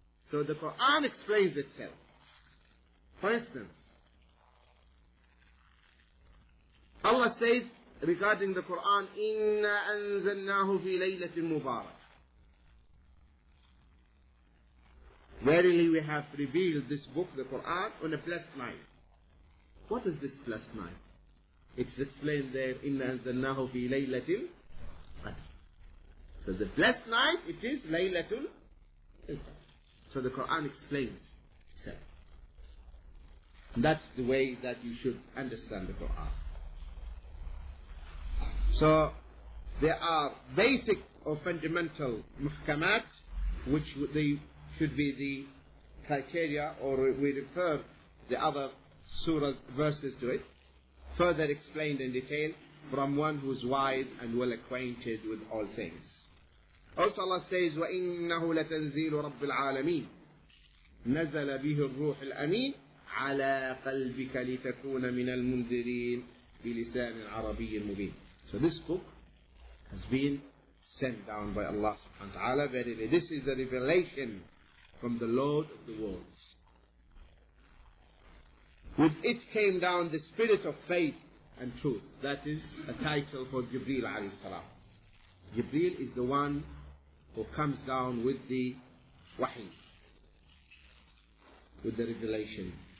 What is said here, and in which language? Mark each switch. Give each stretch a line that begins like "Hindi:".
English: So the Quran explains itself. For instance, Allah says regarding the Quran,
Arabic: Inna anzalnahu fi laylatin mubarak.
English: Verily we have revealed this book, the Quran, on a blessed night. What is this blessed night? It's explained there,
Arabic: إِنَّا أَنزَلْنَاهُ فِي لَيْلَةِ الْقَدْرِ.
English: So the blessed night, it is Laylatul Qadr. So the Quran explains itself. That's the way that you should understand the Quran. So there are basic or fundamental muhkamat, which they should be the criteria, or we refer the other surahs, verses to it, further explained in detail from one who is wise and well acquainted with all things. Also Allah says,
Arabic: وَإِنَّهُ لَتَنْزِيلُ رَبِّ الْعَالَمِينَ نَزَلَ بِهِ الرُّوحِ الْأَمِينَ عَلَىٰ قَلْبِكَ لِتَكُونَ مِنَ الْمُنْذِرِينَ بِلِسَانِ الْعَرَبِيِّ الْمُبِينَ.
English: So this book has been sent down by Allah subhanahu wa ta'ala. Verily, this is a revelation from the Lord of the worlds. With it came down the spirit of faith and truth. That is a title for Jibreel alayhi salam. Jibreel is the one who comes down with the wahi, with the revelation.